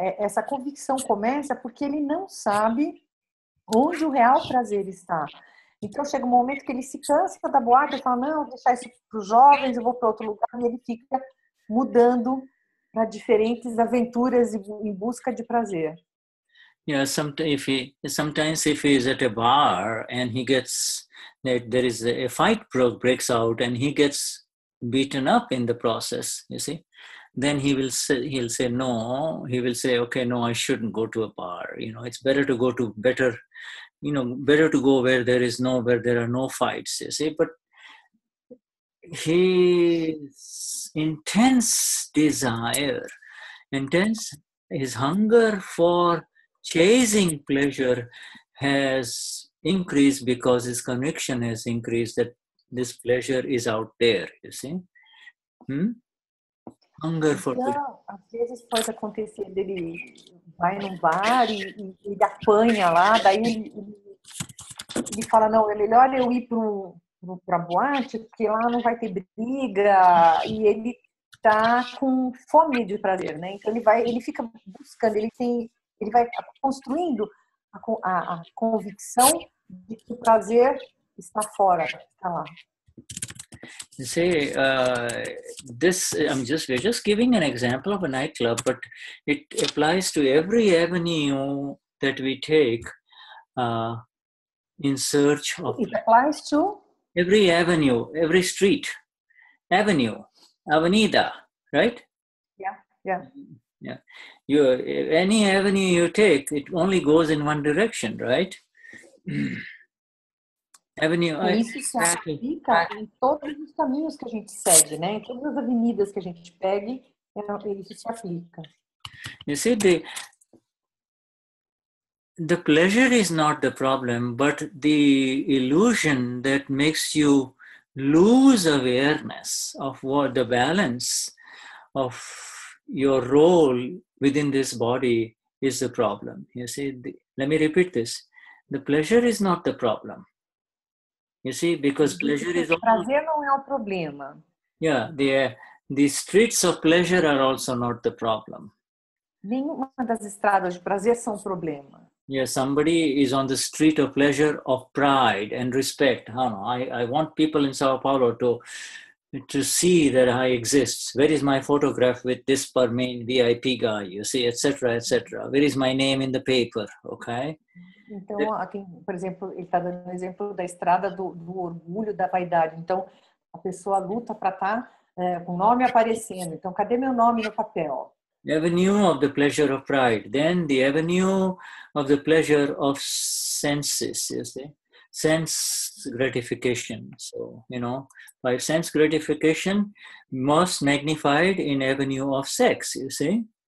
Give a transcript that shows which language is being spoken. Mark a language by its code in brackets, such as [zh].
[pt] Essa convicção começa porque ele não sabe onde o real prazer está. Então chega um momento que ele se cansa da boate e fala, não, vou deixar isso para os jovens, eu vou para outro lugar. E ele fica mudando para diferentes aventuras em busca de prazer. [en] Yeah, sometimes if he is at a bar and he gets, there is a fight breaks out and he gets beaten up in the process, you see, then he will say, okay, no, I shouldn't go to a bar, you know, it's better to go to better, you know, better to go where there is no, where there are no fights, you see, but his intense desire, his hunger for chasing pleasure has increased because his conviction has increased that this pleasure is out there, you see? Hunger for pleasure. [pt] Então, às vezes pode acontecer dele vai num bar e ele apanha lá, daí ele fala, não, é melhor eu ir para a boate, porque lá não vai ter briga, e ele tá com fome de prazer, né? Então ele fica buscando, ele vai construindo a convicção de que o prazer está fora, está lá. [en] You see, we're just giving an example of a nightclub, but it applies to every avenue that we take in search of. It applies to? Every avenue, every street, avenue, avenida, right? Yeah, yeah. Yeah, any avenue you take, it only goes in one direction, right? Avenue. [pt] Isso se aplica em todos os caminhos que a gente segue, né? Em todas as avenidas que a gente pegue, isso se aplica. [en] You see, the pleasure is not the problem, but the illusion that makes you lose awareness of what the balance of your role within this body is the problem. You see, let me repeat this. The pleasure is not the problem. You see, because pleasure is... [pt] O prazer não é o problema. [en] Yeah, the streets of pleasure are also not the problem. [pt] Nenhuma das estradas de prazer são problema. [en] Yeah, somebody is on the street of pleasure of pride and respect. I want people in Sao Paulo to see that I exist. Where is my photograph with this per main VIP guy, you see, etc, etc. Where is my name in the paper, okay? [pt] Então, aqui, por exemplo, ele está dando um exemplo da estrada do orgulho, da vaidade. Então, a pessoa luta para estar com o nome aparecendo. Então, cadê meu nome no papel? [en] The avenue of the pleasure of pride. Then the avenue of the pleasure of senses, you see? Sense gratification. So, you know, by sense gratification, most magnified in avenue of sex, you see?